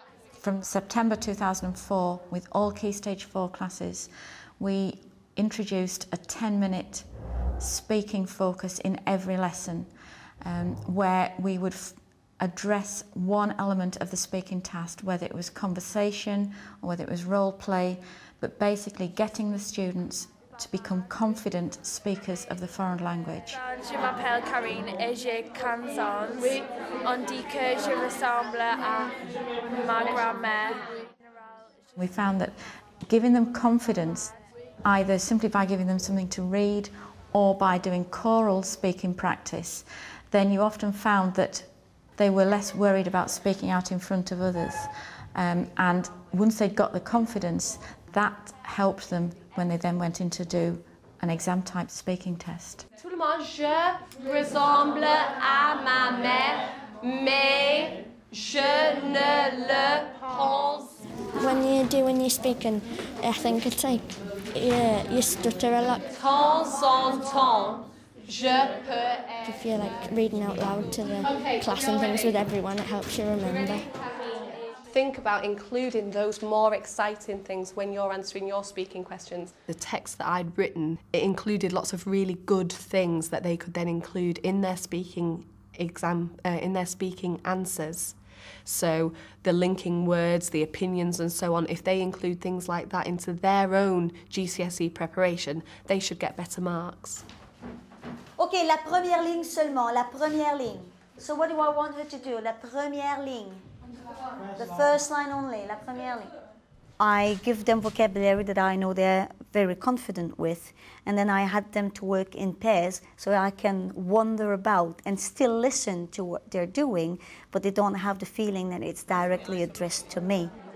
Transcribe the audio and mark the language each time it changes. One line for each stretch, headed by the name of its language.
English: From September 2004, with all key stage 4 classes, we introduced a 10-minute speaking focus in every lesson where we would address one element of the speaking task, whether it was conversation or whether it was role play, but basically getting the students to become confident speakers of the foreign language.
French: Je m'appelle Karine et j'ai 15 ans. On dit que je ressemble à ma grand-mère.
English: We found that giving them confidence, either simply by giving them something to read or by doing choral speaking practice, then you often found that they were less worried about speaking out in front of others. And once they'd got the confidence, that helped them when they then went in to do an exam type speaking test.
French: Tout le monde, je ressemble à ma mère, mais je ne le pense.
English: When you do, when you're speaking, I think it's like, yeah, you stutter a lot.
French: Temps en temps, je peux.
English: If you're like reading out loud to the class and things with everyone, it helps you remember. Think about including those more exciting things when you're answering your speaking questions. The text that I'd written, it included lots of really good things that they could then include in their speaking exam, in their speaking answers. So the linking words, the opinions and so on, if they include things like that into their own GCSE preparation, they should get better marks.
French: OK, la première ligne seulement, la première ligne.
English: So what do I want her to do?
French: La première ligne.
English: The first line only,
French: la première ligne.
English: I give them vocabulary that I know they're very confident with, and then I had them to work in pairs so I can wander about and still listen to what they're doing, but they don't have the feeling that it's directly addressed to me.